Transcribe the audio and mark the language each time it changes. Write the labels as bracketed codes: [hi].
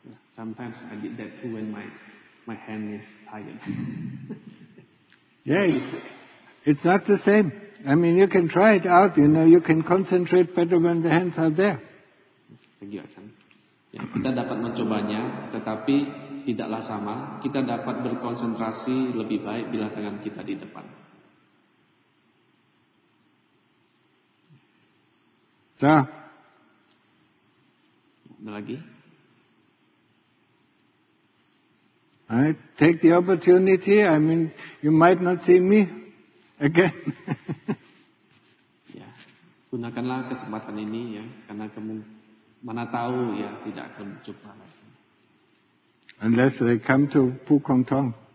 [en] Sometimes I did that too when my hand is tired. Yeah, it's not the same. I mean, you can try it out, you know, you can concentrate better when the hands are there. Thank you, Achan. [id] Ya, kita dapat mencobanya, tetapi tidaklah sama. Kita dapat berkonsentrasi lebih baik bila tangan kita di depan. Ya. Ada lagi? [en] I take the opportunity. I mean, you might not see me again. [id] Ya, gunakanlah kesempatan ini ya, karena kamu mana tahu ya tidak akan berjumpa lagi. [en] Unless they come to Phukong Thong.